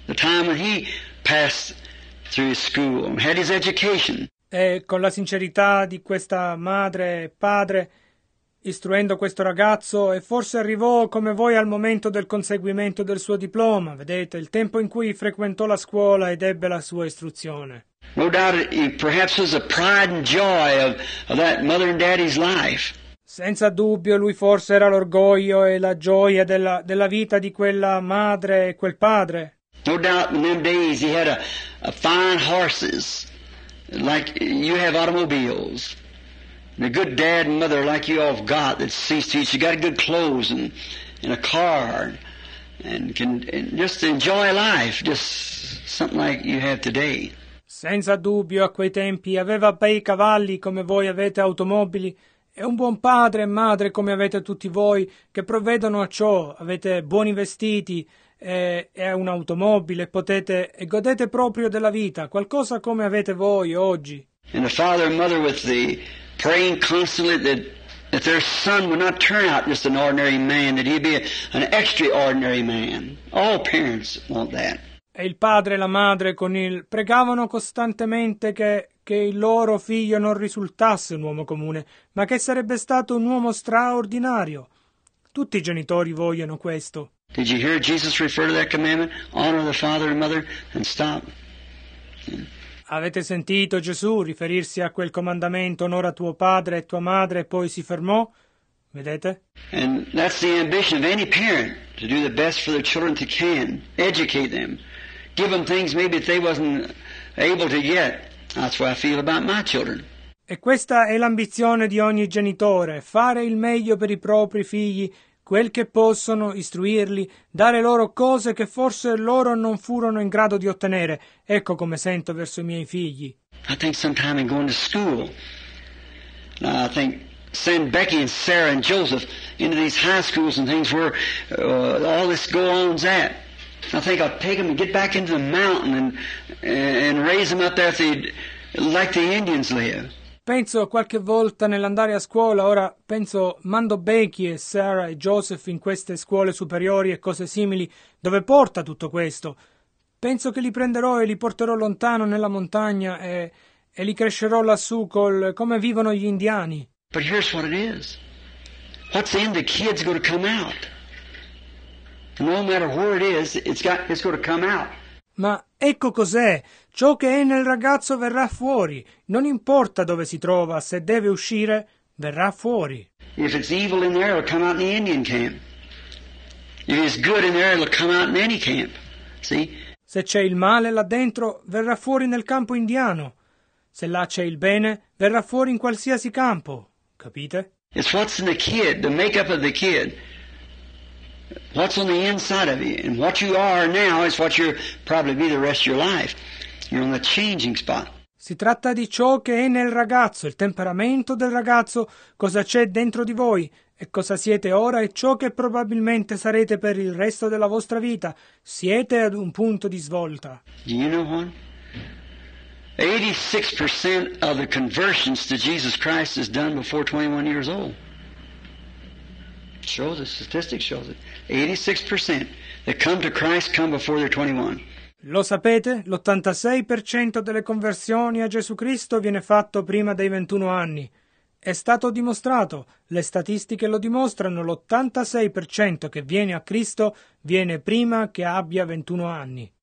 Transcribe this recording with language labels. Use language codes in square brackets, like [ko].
[en] The time when he passed through his school and had his education. [it] E con la sincerità di questa madre e padre, istruendo questo ragazzo, e forse arrivò come voi al momento del conseguimento del suo diploma, vedete, il tempo in cui frequentò la scuola ed ebbe la sua istruzione. [en] No doubt it perhaps was the pride and joy of that mother and daddy's life. [it] Senza dubbio lui forse era l'orgoglio e la gioia della vita di quella madre e quel padre. [en] No doubt in them days he had a fine horses, like you have automobiles. And a good dad and mother like you all have got that sees to you. She got good clothes and a car and can just enjoy life, just something like you have today. [it] Senza dubbio a quei tempi aveva bei cavalli come voi avete automobili e un buon padre e madre come avete tutti voi che provvedono a ciò. Avete buoni vestiti e un'automobile potete e godete proprio della vita, qualcosa come avete voi oggi. [en] And a father and mother with the praying constantly that their son would not turn out just an ordinary man, that he'd be an extraordinary man. All parents want that. [it] E il padre e la madre con il pregavano costantemente che il loro figlio non risultasse un uomo comune, ma che sarebbe stato un uomo straordinario. Tutti i genitori vogliono questo. [en] Did you hear Jesus refer to that commandment? Honor the father and mother and stop. [it] Avete sentito Gesù riferirsi a quel comandamento, onora tuo padre e tua madre, e poi si fermò? Vedete? [en] And that's the ambition of any parent, to do the best for their children they can, educate them, give them things maybe they wasn't able to get. That's what I feel about my children. [it] E questa è l'ambizione di ogni genitore, fare il meglio per i propri figli, quel che possono, istruirli, dare loro cose che forse loro non furono in grado di ottenere. Ecco come sento verso i miei figli. [en] I think sometime in going to school, I think send Becky and Sarah and Joseph into these high schools and things where all this go on's at. I think I'll take them and get back into the mountain and raise them up there like the Indians live. [it] Penso qualche volta nell'andare a scuola, ora penso, mando Becky e Sarah e Joseph in queste scuole superiori e cose simili, dove porta tutto questo? Penso che li prenderò e li porterò lontano nella montagna e li crescerò lassù col come vivono gli indiani. [en] But here's what it is. What's in the kid's going to come out. No matter where it is, it's going to come out. [it] Ma ecco cos'è, ciò che è nel ragazzo verrà fuori, non importa dove si trova, se deve uscire, verrà fuori. [en] If it's evil in there, it'll come out in the Indian camp. If it's good in there, it'll come out in any camp. See? [it] Se c'è il male là dentro, verrà fuori nel campo indiano. Se là c'è il bene, verrà fuori in qualsiasi campo. Capite? [en] It's what's in the kid, the makeup of the kid. What's on the inside of you, and what you are now is what you'll probably be the rest of your life. You're on the changing spot. [it] Si tratta di ciò che è nel ragazzo, il temperamento del ragazzo, cosa c'è dentro di voi e cosa siete ora e ciò che probabilmente sarete per il resto della vostra vita. Siete ad un punto di svolta. [en] Do you know what? 86% of the conversions to Jesus Christ is done before 21 years old. Shows it, statistics shows it. 86% that come to Christ come before they're 21. [it] Lo sapete? L'86% delle conversioni a Gesù Cristo viene fatto prima dei 21 anni. È stato dimostrato, le statistiche lo dimostrano, l'86% che viene a Cristo viene prima che abbia 21 anni.